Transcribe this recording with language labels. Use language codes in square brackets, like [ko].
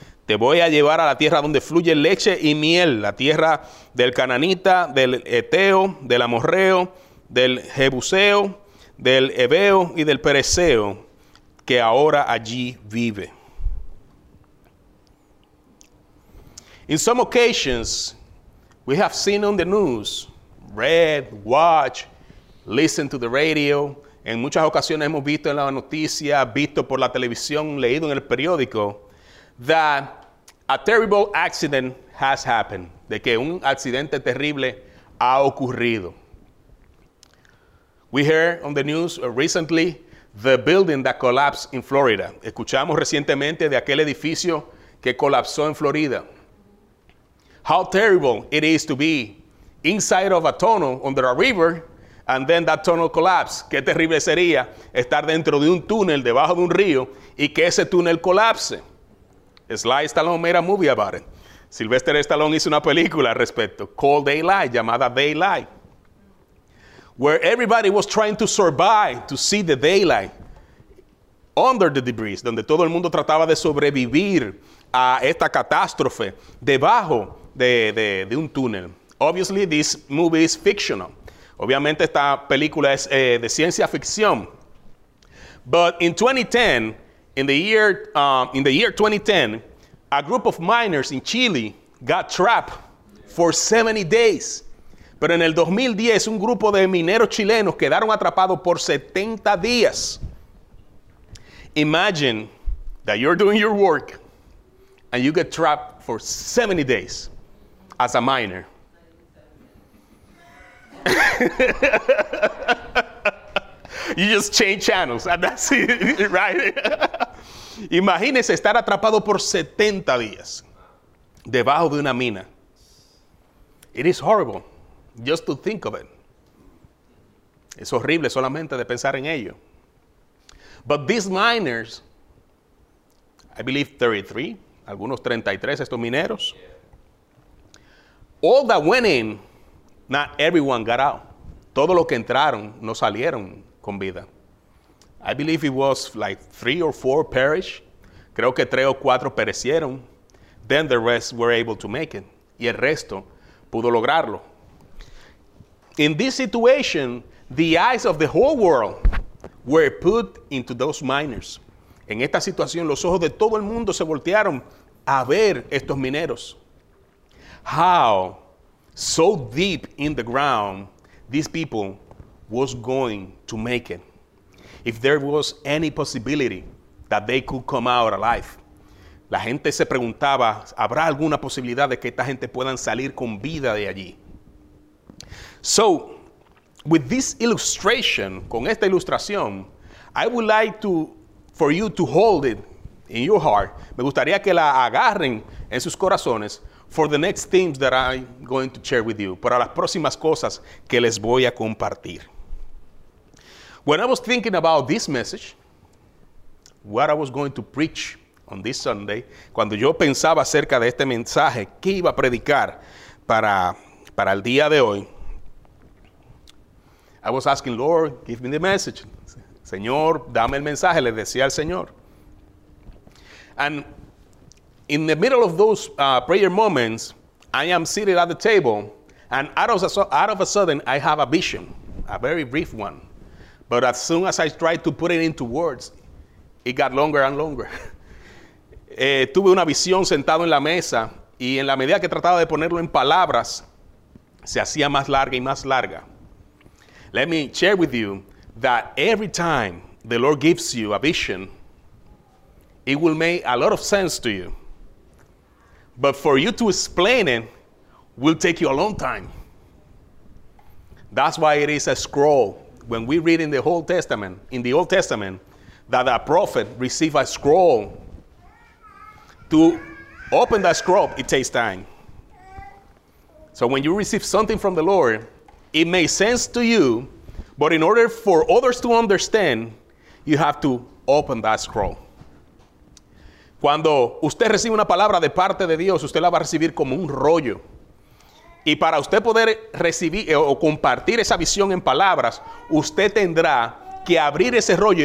[es] Te voy a llevar a la tierra donde fluye leche y miel, la tierra del Cananita, del Eteo, del Amorreo, del Jebuseo, del Ebeo y del Pereceo, que ahora allí vive. [en] In some occasions, we have seen on the news, read, watch, listen to the radio. [es] En muchas ocasiones hemos visto en la noticia, visto por la televisión, leído en el periódico, [en] that a terrible accident has happened. [es] De que un accidente terrible ha ocurrido. [en] We heard on the news recently the building that collapsed in Florida. [es] Escuchamos recientemente de aquel edificio que colapsó en Florida. [en] How terrible it is to be inside of a tunnel under a river and then that tunnel collapse. [es] Qué terrible sería estar dentro de un túnel debajo de un río y que ese túnel colapse. [en] Sly Stallone made a movie about it. [es] Sylvester Stallone hizo una película al respecto, [en] called Daylight, [es] llamada Daylight, [en] where everybody was trying to survive to see the daylight under the debris, [es] donde todo el mundo trataba de sobrevivir a esta catástrofe debajo de un túnel. [en] Obviously, this movie is fictional. [es] Obviamente, esta película es de ciencia ficción. [en] But in 2010, in the year 2010, a group of miners in Chile got trapped for 70 days. [es] Pero en el 2010, un grupo de mineros chilenos quedaron atrapados por 70 días. [en] Imagine that you're doing your work and you get trapped for 70 days as a miner. You just change channels and that's it, right? [es] Imagínese estar atrapado por 70 días debajo de una mina. [en] It is horrible just to think of it. [es] Es horrible solamente de pensar en ello. [en] But these miners, I believe 33, [es] algunos 33 estos mineros, [en] all that went in, not everyone got out. [es] Todos los que entraron no salieron con vida. [en] I believe it was like 3 or 4 perished. [es] Creo que 3 o 4 perecieron. [en] Then the rest were able to make it. [es] Y el resto pudo lograrlo. [en] In this situation, the eyes of the whole world were put into those miners. [es] En esta situación, los ojos de todo el mundo se voltearon a ver estos mineros. [en] How so deep in the ground these people was going to make it. If there was any possibility that they could come out alive. [es] La gente se preguntaba, ¿habrá alguna posibilidad de que esta gente puedan salir con vida de allí? [en] So, with this illustration, [es] con esta ilustración, [en] I would like to, for you to hold it in your heart. [es] Me gustaría que la agarren en sus corazones [en] for the next themes that I'm going to share with you, [es] para las próximas cosas que les voy a compartir. [en] When I was thinking about this message, what I was going to preach on this Sunday, [es] cuando yo pensaba acerca de este mensaje, qué iba a predicar para el día de hoy, [en] I was asking, Lord, give me the message. [es] Señor, dame el mensaje, le decía al Señor. [en] And in the middle of those prayer moments, I am seated at the table, and out of a sudden, I have a vision, a very brief one. But as soon as I tried to put it into words, it got longer and longer. [es] Tuve una visión sentado en la mesa y en la medida que trataba de ponerlo en palabras, se hacía más larga y más larga. [en] Let me share with you that every time the Lord gives you a vision, it will make a lot of sense to you. But for you to explain it will take you a long time. That's why it is a scroll. When we read in the Old Testament, that a prophet received a scroll. To open that scroll, it takes time. So when you receive something from the Lord, it makes sense to you, but in order for others to understand, you have to open that scroll. [es] Cuando usted recibe una palabra de parte de Dios, usted la va a recibir como un rollo. Y para usted poder recibir o compartir esa visión en palabras, usted tendrá que abrir ese rollo.